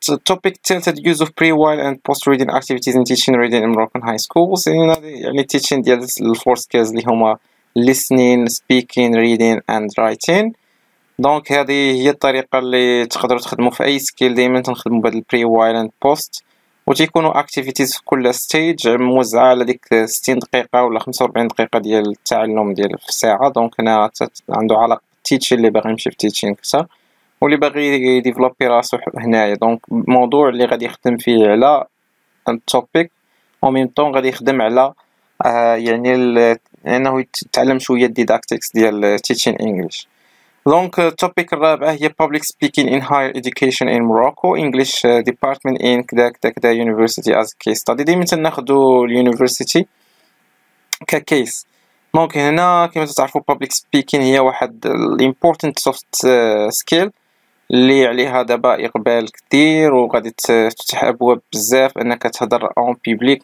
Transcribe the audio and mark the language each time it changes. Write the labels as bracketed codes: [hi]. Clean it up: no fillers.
[en] topic tilted use of pre-while and post-reading activities in teaching reading in Moroccan high schools. [ar] يعني [en] teaching ديال ال 4 skills [ar] اللي هما [en] listening, speaking, reading and writing. [ar] دونك هذه هي الطريقة اللي تقدروا تخدموا في أي skill، دائما تنخدموا بهذا [en] pre-while and post، [ar] وتيكونوا activities في كل stage موزعة على ديك 60 دقيقة ولا 45 دقيقة ديال التعلم ديال في ساعة. دونك هنا عنده علاقة teaching اللي باغي يمشي في teaching أكثر واللي باغي يديفلوبي راسو هنايا. دونك موضوع اللي غادي يخدم فيه على التوبيك او ميم طون غادي يخدم على يعني انه يتعلم شويه الديداكتيكس ديال [en] Teaching English. [ar] دونك التوبيك الرابع هي [en] public speaking in higher education in Morocco English department in كذا university as case study. [ar] ديما تناخدو اليونيفرسيتي ككيس. دونك هنا كما تعرفوا public speaking هي واحد [en] important soft skill [ar] اللي عليها دابا اقبال كثير، وغادي تفتح ابواب بزاف انك تهضر [en] اون بيبليك.